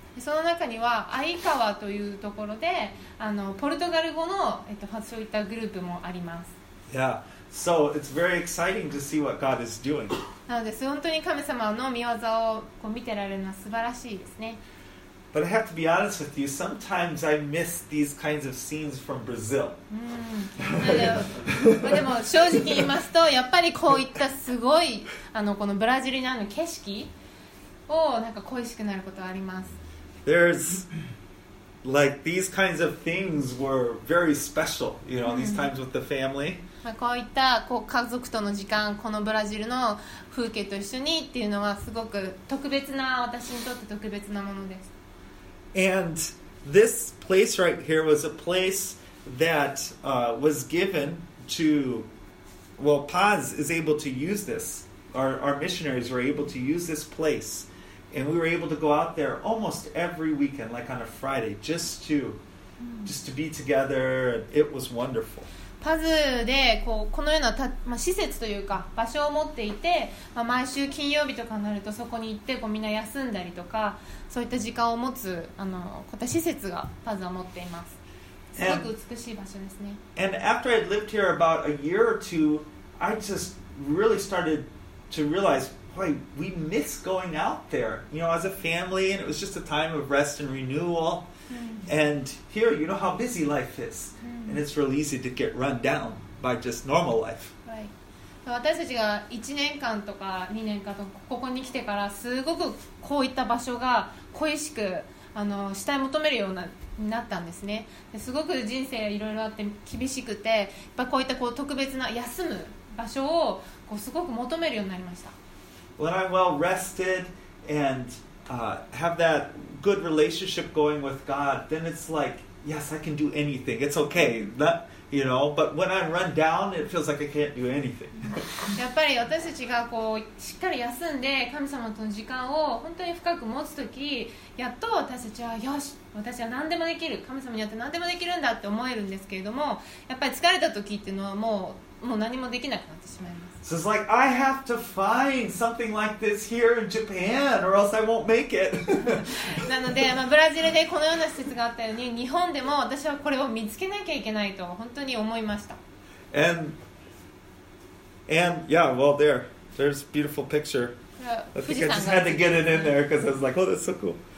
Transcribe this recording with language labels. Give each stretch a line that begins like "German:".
Japanese: その中にはアイカワというところで、あのポルトガル語の、そういったグループもあります。
English: Yeah. So it's very exciting to see what God is doing.
Japanese: なので本当に神様の御業をこう見てられるのは素晴らしいですね。
English: But I have to be honest with you. Sometimes I miss these kinds of scenes from Brazil.
Japanese: でも正直言いますと、やっぱりこういったすごいあのこのブラジルにある景色をなんか恋しくなることはあります。
English: There's like these kinds of things were very special, you know, these times with the family.
Japanese: こういったこう家族との時間、このブラジルの風景と一緒にっていうのはすごく特別な、私にとって特別なものです。
English: And this place right here was a place that was given to, well, Paz is able to use this. Our missionaries were able to use this place. And we were able to go out there almost every weekend, like on a Friday, just to be together. It was wonderful.
Japanese: パズで このような、まあ、施設というか場所を持っていて、まあ、毎週金曜日とかになるとそこに行ってこうみんな休んだりとか、そういった時間を持つあのこういった施設がパズは持っています。すごく美しい場所ですね。
English: And after I'd lived here about a year or two, I just really started to realize, boy, we miss going out there, you know, as a family, and it was just a time of rest and renewal. And here, you know how busy life isAnd it's really easy to get run down by just normal life. Right.
Japanese: 私たちが1年間とか2年間とかここに来てからすごくこういった場所が恋しくあのしたい求めるようになったんですね。すごく人生いろいろあって厳しくて、やっぱこういったこう特別な休む場所をこうすごく求めるようになりました。
English: When I'm well rested and have that good relationship going with God, then it's like,Yes, I can do anything. It's okay. Not, you know, but when I run down, it feels like I can't do anything.
Japanese: やっぱり私たちがこうしっかり休んで神様との時間を本当に深く持つとき、やっと私たちはよし、私は何でもできる、神様によって何でもできるんだって思えるんですけれども、やっぱり疲れたときっていうのはもう何もできなくなってしまいます。
English: So it's like I have to find something like this here in Japan, or else I won't make it.
Japanese: なので、まあ、ブラジルでこのような施設があったように、日本でも私はこれを見つけなきゃいけないと本当に思いました。
English: And yeah, well there's beautiful picture. I think I just had to get it in there because I was like, oh, that's so cool.